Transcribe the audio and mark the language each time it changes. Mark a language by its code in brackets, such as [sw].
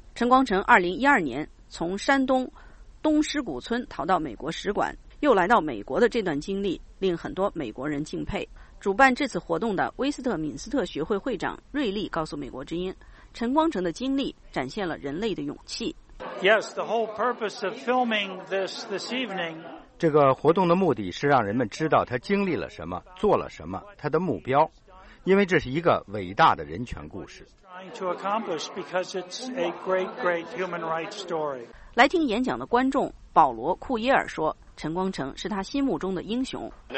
[zh] 陈光诚2012年从山东东施古村逃到美国使馆又来到美国的这段经历令很多美国人敬佩。主办这次活动的威斯特敏斯特学会会长瑞利告诉美国之音，陈光诚的经历展现了人类的勇气。 [en] Yes, the whole purpose of filming this evening, [zh] 这个活动的目的是让人们知道他经历了什么，做了什么，他的目标，因为这是一个伟大的人权故事。来听演讲的观众保罗·库耶尔说，陈光诚是他心目中的英雄。